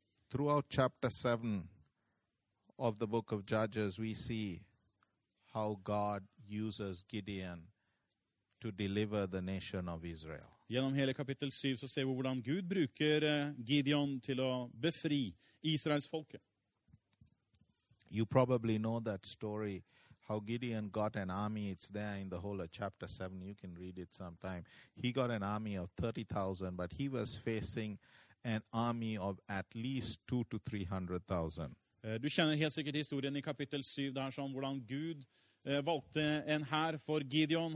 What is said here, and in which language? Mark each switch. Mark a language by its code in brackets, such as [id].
[en] Throughout chapter 7 of the book of Judges, we see how God uses Gideon to deliver the nation of Israel. [no] Gjennom hele kapittel 7 så ser vi hvordan Gud bruker Gideon til å befri Israels folke. [en] You probably know that story, how Gideon got an army. It's there in the whole of chapter 7. You can read it sometime. He got an army of 30,000, but he was facing an army of at least 200,000 to 300,000. [no] Du kjenner helt sikkert historien I kapittel 7 der som hvordan Gud valgte en hær for Gideon.